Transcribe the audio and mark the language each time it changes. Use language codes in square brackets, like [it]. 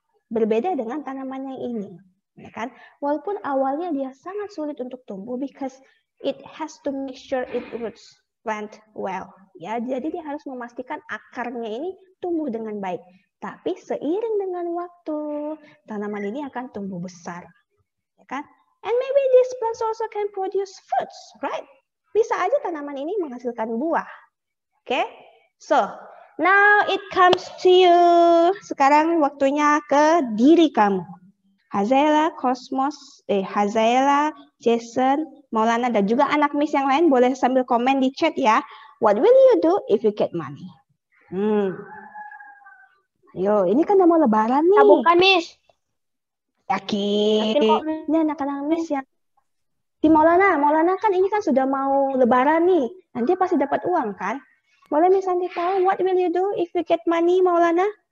[id] Berbeda dengan tanaman yang ini, ya kan? Walaupun awalnya dia sangat sulit untuk tumbuh [en] because it has to make sure it roots plant well, [id] ya. Jadi dia harus memastikan akarnya ini tumbuh dengan baik. Tapi seiring dengan waktu, tanaman ini akan tumbuh besar, ya kan? [en] And maybe these plants also can produce fruits, right? [id] Bisa aja tanaman ini menghasilkan buah. Okay? [en] So, now it comes to you. [id] Sekarang waktunya ke diri kamu. Hazaela, Cosmos, Hazaela, Jason, Maulana, dan juga anak Miss yang lain boleh sambil komen di chat ya. [en] What will you do if you get money? Hmm. [id] Yo, ini kan mau lebaran nih. Tabungan, Miss. Yakin. Ini anak-anak Miss ya. Di Maulana kan ini kan sudah mau lebaran nih. Nanti pasti dapat uang kan? Boleh Miss Santi tahu [en] what will you do if you get money, [id] Maulana?